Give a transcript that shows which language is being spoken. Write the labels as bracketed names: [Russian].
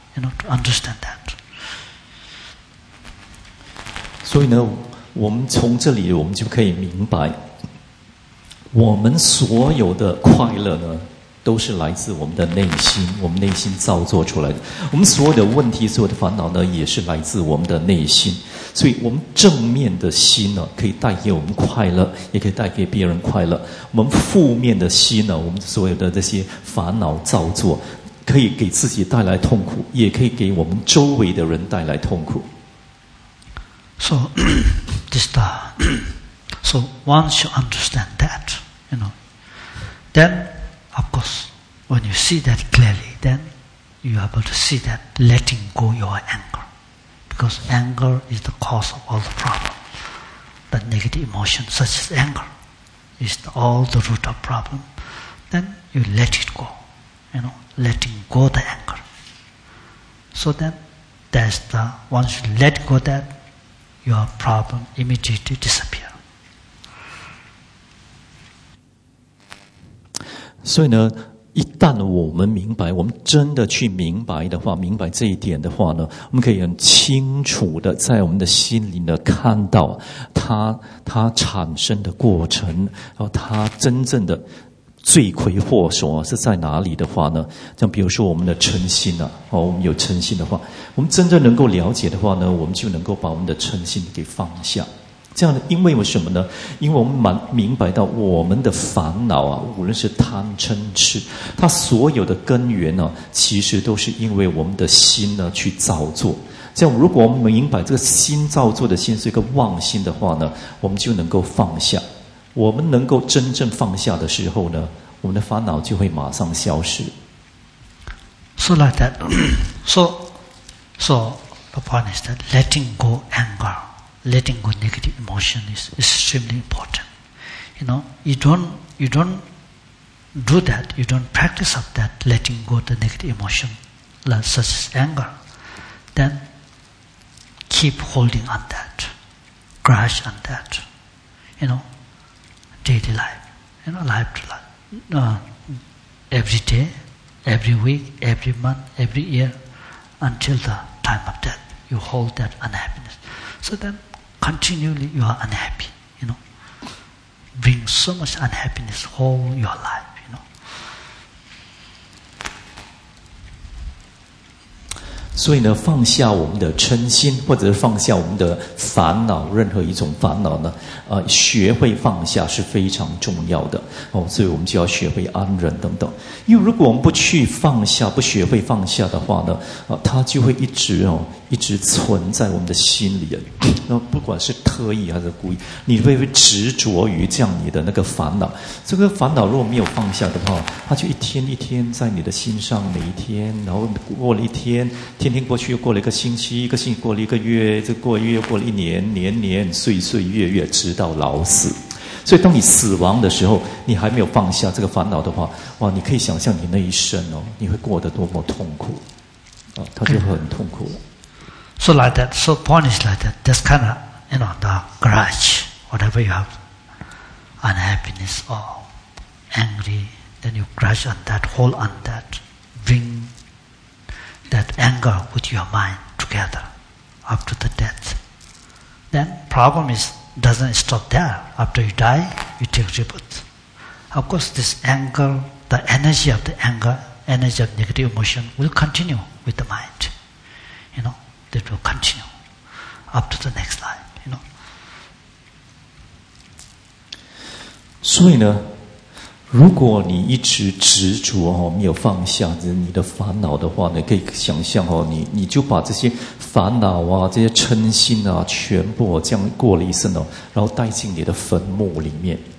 [English] You know, to understand that. [Chinese] 所以呢，我们从这里我们就可以明白，我们所有的快乐呢，都是来自我们的内心，我们内心造作出来的。我们所有的问题、所有的烦恼呢，也是来自我们的内心。所以我们正面的心呢，可以带给我们快乐，也可以带给别人快乐。我们负面的心呢，我们所有的这些烦恼造作，可以给自己带来痛苦，也可以给我们周围的人带来痛苦。 [English] So, this the, so once you understand that, you know, then, of course, when you see that clearly, then you are able to see that letting go your anger. Because anger is the cause of all the problem. The negative emotion, such as anger, is all the root of problem. Then you let it go. You know, letting go the anger. So then, that's the, once you let go that, your problem immediately disappears. [Chinese] 所以呢，一旦我们明白，我们真的去明白的话，明白这一点的话呢，我们可以很清楚的在我们的心里呢看到它产生的过程，然后它真正的罪魁祸首是在哪里的话呢？像比如说我们的嗔心啊，哦，我们有嗔心的话，我们真正能够了解的话呢，我们就能够把我们的嗔心给放下。这样的，因为什么呢？因为我们蛮明白到我们的烦恼啊，无论是贪嗔痴，它所有的根源呢、啊，其实都是因为我们的心呢去造作。这样，如果我们明白这个心造作的心是一个妄心的话呢，我们就能够放下。我们能够真正放下的时候呢，我们的烦恼就会马上消失。 [English] So like that. So the point is that letting go anger. letting go negative emotion is extremely important. You know, you don't do that, you don't practice of that, letting go the negative emotion, such as anger, then keep holding on that, grudge on that, you know, daily life, you know, life to life, every day, every week, every month, every year, until the time of death, you hold that unhappiness. So then, continually you are unhappy, you know, bring so much unhappiness all your life. [Chinese] 所以呢，放下我们的嗔心，或者是放下我们的烦恼，任何一种烦恼呢，学会放下是非常重要的哦。所以我们就要学会安忍等等。因为如果我们不去放下，不学会放下的话呢，它就会一直哦，一直存在我们的心里。那不管是特意还是故意，你会执着于这样你的那个烦恼。这个烦恼如果没有放下的话，它就一天一天在你的心上，每一天，然后过了一天。天天过去，又过了一个星期，一个星期过了一个月，这过了一个月，过了一年，年年岁岁月月，直到老死。所以，当你死亡的时候，你还没有放下这个烦恼的话，哇，你可以想象你那一生哦，你会过得多么痛苦啊！他就很痛苦了。 [English] So like that, so point is like that. That's kind of, you know, the grudge, whatever you have, unhappiness or angry, then you grudge on that, hold on that, bring. That anger with your mind together after the death. Then problem is, doesn't stop there. After you die, you take rebirth. Of course, this anger, the energy of the anger, energy of negative emotion will continue with the mind. You know, that will continue up to the next life, you know. [Chinese] 所以呢如果你一直执着没有放下你的烦恼的话，你可以想象你就把这些烦恼啊、这些嗔心啊，全部这样过了一生，然后带进你的坟墓里面。